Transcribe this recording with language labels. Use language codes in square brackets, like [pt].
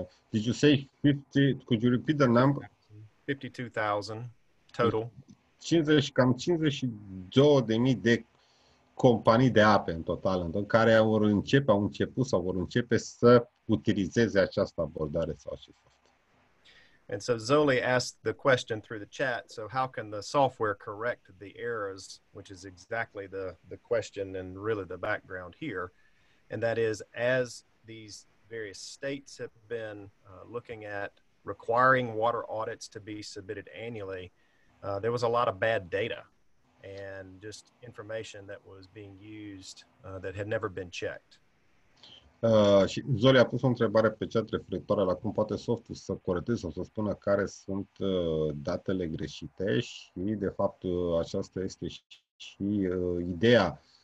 [en] Did you say 50? Could you repeat the number? 52,000 total. [ro] Cam 52,000 de companii de ape în total, în care vor începe, au început sau vor începe să utilizeze această abordare sau acest soft. [en] And so Zoli asked the question through the chat, so how can the software correct the errors, which is exactly the question and really the background here, and that is as these various states have been looking at requiring water audits to be submitted annually, there was a lot of bad data and just information that was being used that had never been checked. [ro] Și Zoli a pus o întrebare pe chat referitoare la cum poate softul să corecteze sau să spună care sunt datele greșite și, de fapt, aceasta este și ideea